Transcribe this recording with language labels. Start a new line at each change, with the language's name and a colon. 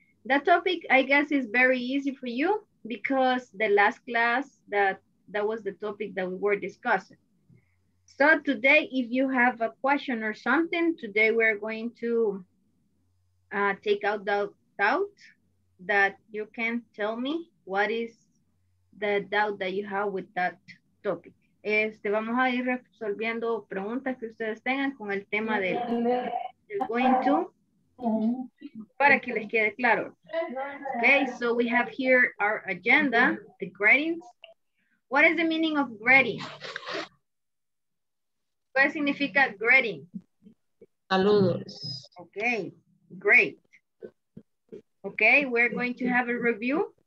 English: The topic, I guess, is very easy for you because the last class that was the topic that we were discussing. So today, if you have a question or something, today we're going to take out the doubt that you can tell me what is the doubt that you have with that topic.
Spanish: Vamos a ir resolviendo preguntas que ustedes tengan con el tema del going to para que les quede claro.
English: Okay, so we have here our agenda, the greetings. What is the meaning of greeting?
Spanish: ¿Qué significa greeting? Saludos.
English: Okay, great. Okay, we're going to have a review.